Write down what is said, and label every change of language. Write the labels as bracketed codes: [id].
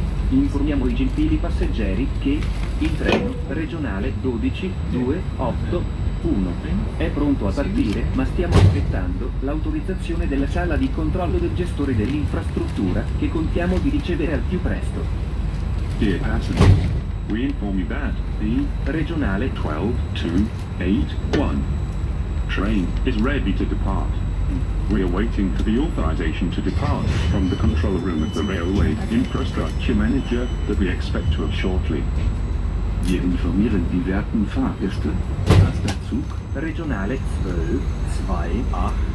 [it] Informiamo i gentili passeggeri che il treno regionale 12281 è pronto a partire, ma stiamo aspettando l'autorizzazione della sala di controllo del gestore dell'infrastruttura che contiamo di ricevere al più presto. [en] Dear passengers, we inform you that the regionale 12281 train is ready to depart. We are waiting for the authorization to depart from the control room of the railway infrastructure manager that we expect to have shortly. [de] Wir informieren die werten Fahrgäste, dass der Zug regionale 12281